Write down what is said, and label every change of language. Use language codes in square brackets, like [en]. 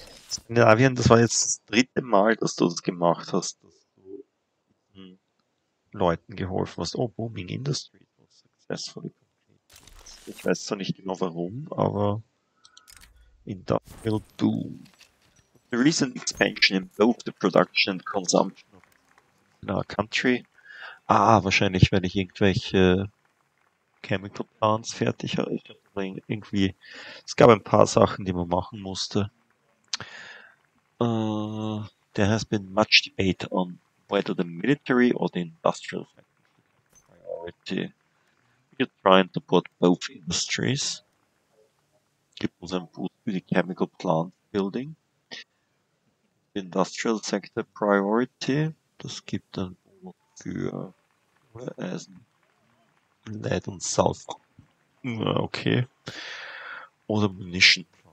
[de] Skandinavien, das war jetzt das dritte Mal, dass du das gemacht hast, dass du Leuten geholfen hast. [en] Oh, Booming Industry was successfully completed. [de] Ich weiß zwar nicht genau warum, aber Industrial Doom. [en] The recent expansion in both the production and consumption of our country. [de] Ah, wahrscheinlich, weil ich irgendwelche Chemical Plants fertig habe. Ich glaube, irgendwie, es gab ein paar Sachen, die man machen musste. [en] There has been much debate on whether the military or the industrial sector is a priority. We are trying to put both industries. [de] Gibt uns einen Boost für die Chemical Plant Building. [en] The industrial sector priority. [de] Das gibt einen Boost für Eisen, Lead und Sulfur. Okay. Oder Munition.